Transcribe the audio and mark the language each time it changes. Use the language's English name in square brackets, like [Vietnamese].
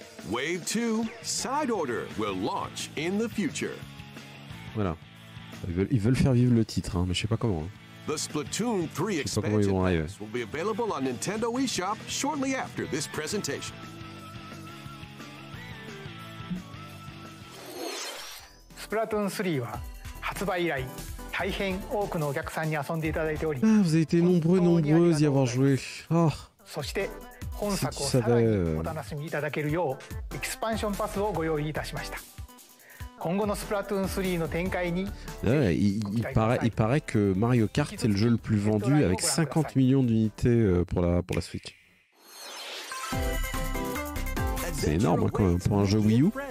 [English] Wave 2, Side Order, will launch in the future. [French] Voilà. Ils veulent faire vivre le titre, hein, mais je sais pas comment. Hein. [English] The Splatoon 3 expansion packs will be available on Nintendo eShop shortly after this presentation. [Japanese] Splatoon 3 は発売以来大変多くのお客さんに遊んでいただいており、 [French] ah, vous avez été nombreux nombreuses y avoir joué. Ah. [Japanese] そして本作をさらにお楽しみいただけるようエキスパンションパスをご用意いたしました。 [French] Ouais, il paraît que Mario Kart est le jeu le plus vendu avec 50 millions d'unités pour la Switch. C'est énorme quand même pour un jeu Wii U.